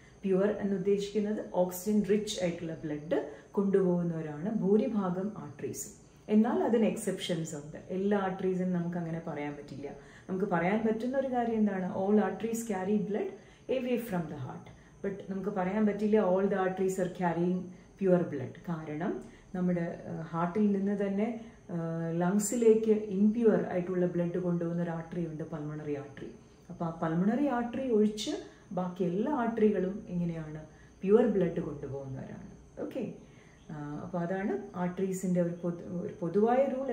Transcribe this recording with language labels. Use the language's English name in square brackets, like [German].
[Malayalam] Pure എന്നുദ്ദേശിക്കുന്നത് oxygen rich ആയിട്ടുള്ള blood കൊണ്ടുപോകുന്നവരാണ് ഭൂരിഭാഗം ആർട്ടറീസും. എന്നാൽ അതിന് എക്സെപ്ഷൻസ് ഉണ്ട്, എല്ലാ ആർട്ടറീസും നമുക്ക് അങ്ങനെ പറയാൻ പറ്റില്ല. നമുക്ക് പറയാൻ പറ്റുന്ന ഒരു കാര്യം എന്താണ്, [English] All arteries carry blood away from the heart. But [Malayalam] നമുക്ക് പറയാൻ പറ്റില്ല [English] all the arteries are carrying pure blood. [Malayalam] കാരണം നമ്മുടെ ഹാർട്ടിൽ നിന്ന് തന്നെ ലങ്സിലേക്ക് ഇംപ്യൂർ ആയിട്ടുള്ള ബ്ലഡ് കൊണ്ടുപോകുന്ന ഒരു ആർട്ടറി ഉണ്ട് പൾമണറി ആർട്ടറി. അപ്പോൾ ആ പൾമണറി ആർട്ടറി ഒഴിച്ച് ബാക്കി എല്ലാ ആർട്ടറികളും എങ്ങനെയാണ് പ്യുവർ ബ്ലഡ് കൊണ്ടുപോകുന്നവരാണ്. ഓക്കെ, അപ്പോൾ അതാണ് ആർട്ടറീസിൻ്റെ ഒരു പൊതുവായ റൂൾ.